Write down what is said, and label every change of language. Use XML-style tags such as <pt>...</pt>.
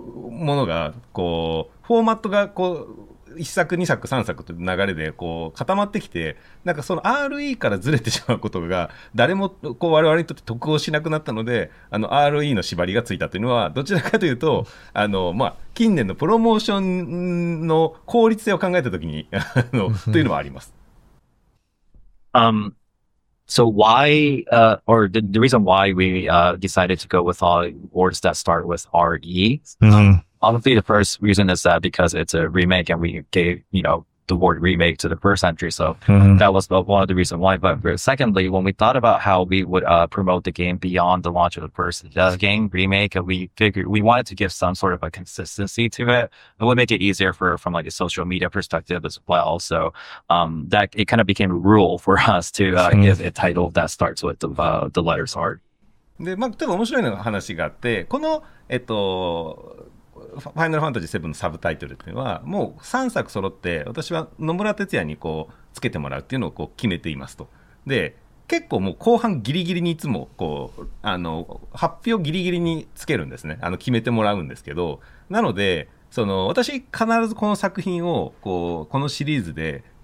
<ja>うものがこうフォーマットがこう1作2作3作という流れでこう固まってきて、なんかその RE からずれてしまうことが誰もこう我々にとって得をしなくなったので、RE の縛りがついたというのはどちらかというと近年のプロモーションの効率性を考えたときにというのはあります。</ja> <en>So why, or the reason why we, decided to go with all words that start with RE. Mm-hmm. Obviously, the first reason is that because it's a remake and we gave, the word remake to the first entry. So that was one of the reasons why. But secondly, when we thought about how we would, promote the game beyond the launch of the first game remake, we figured we wanted to give some sort of a consistency to it. It would make it easier from like a social media perspective as well. So, that it kind of became a rule for us to, give a title that starts with the letters R.</en> <ja>で、ちょっと面白いのが話があって、この、ファイナルファンタジー7のサブタイトルっていうのはもう3作揃って私は野村哲也にこうつけてもらうっていうのをこう決めていますと。で、結構もう後半ギリギリにいつもこう発表ギリギリにつけるんですね、決めてもらうんですけど、なので、その私必ずこの作品をこうこのシリーズで</ja>